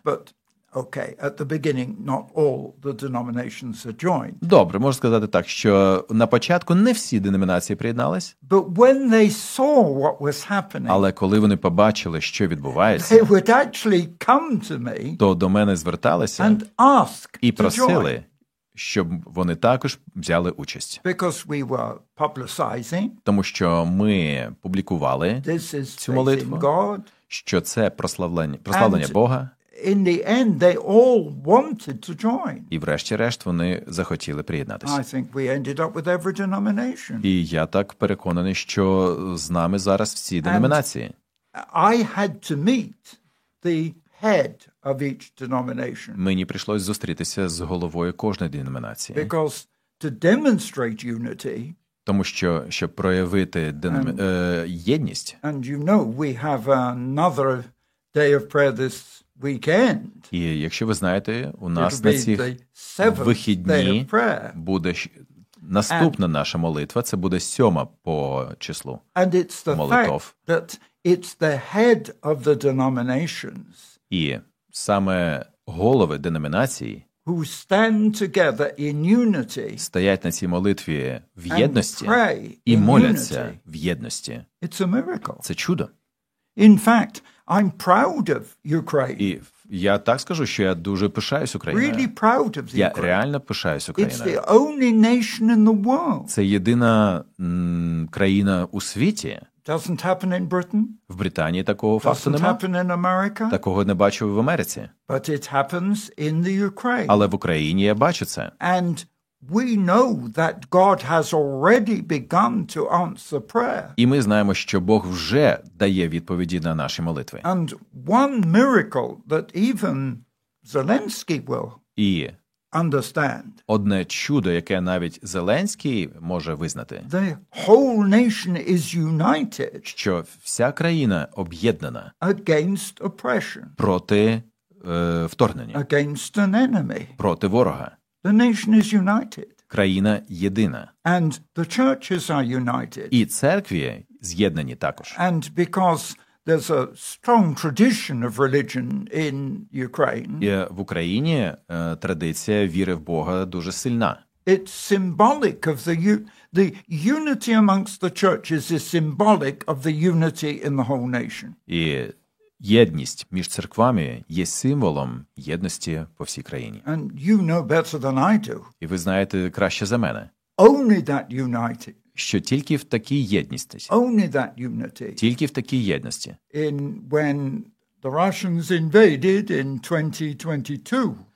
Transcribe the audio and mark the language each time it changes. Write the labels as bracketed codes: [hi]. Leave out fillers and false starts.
[en] But okay, at the beginning not all the denominations are joined. [uk] Добре, можна сказати так, що на початку не всі деномінації приєднались. [en] But when they saw what was happening. [uk] Але коли вони побачили, що відбувається. [en] They would actually come to me. [uk] То до мене зверталися. [en] And ask [uk] і просили, щоб вони також взяли участь. [en] Because we were publicizing. [uk] Тому що ми публікували [en] this is [uk] цю молитву, [en] God. [uk] Що це прославлення Бога. [en] In the end, they all wanted to join. [uk] І врешті-решт вони захотіли приєднатися. [en] I think we ended up with every denomination. [uk] І я так переконаний, що з нами зараз всі деномінації. [en] I had to meet the head of each denomination. [uk] Мені прийшлось зустрітися з головою кожної деномінації. [en] Because to demonstrate unity. [uk] Тому що, щоб проявити єдність. [en] And you know, we have another day of prayer this weekend. [uk] І якщо ви знаєте, у нас на цих вихідні буде наступна наша молитва, це буде сьома по числу молитв. [en] That it's the head of the denominations. [uk] І саме голови деномінацій [en] who stand together in unity. [uk] Стоять на цій молитві в єдності [en] and pray [uk] і моляться в єдності. [en] It's a miracle. [uk] Це чудо. [en] In fact, I'm proud of Ukraine. [uk] І я так скажу, що я дуже пишаюсь Україною. [en] Really proud of the [uk] Ukraine. Я реально пишаюсь Україною. [en] It's the only nation in the world. [uk] Це єдина країна у світі. [en] Doesn't happen in Britain. [uk] В Британії такого факту немає. [en] Doesn't happen in America. [uk] Такого не бачу в Америці. [en] But it happens in the Ukraine. [uk] Але в Україні я бачу це. [en] And we know that God has already begun to answer prayer. [uk] І ми знаємо, що Бог вже дає відповіді на наші молитви. [en] And one miracle that even Zelensky will understand. [uk] Одне чудо, яке навіть Зеленський може визнати. [en] The whole nation is united. [uk] Що вся країна об'єднана. [en] Against oppression. [uk] Проти вторгнення. [en] Against an enemy. [uk] Проти ворога. [en] The nation is united. [uk] Країна єдина. [en] And the churches are united. [uk] І церкви з'єднані також. [en] And because there's a strong tradition of religion in Ukraine. [uk] Є в Україні традиція віри в Бога дуже сильна. [en] It's symbolic of the unity amongst the churches is symbolic of the unity in the whole nation. [uk] І єдність між церквами є символом єдності по всій країні. [en] And you know better than I do. [uk] І ви знаєте краще за мене. [en] Only that unity. [uk] Що тільки в такій єдності. [en] Only that unity. [uk] Тільки в такій єдності. [en] In when the Russians invaded in 2022.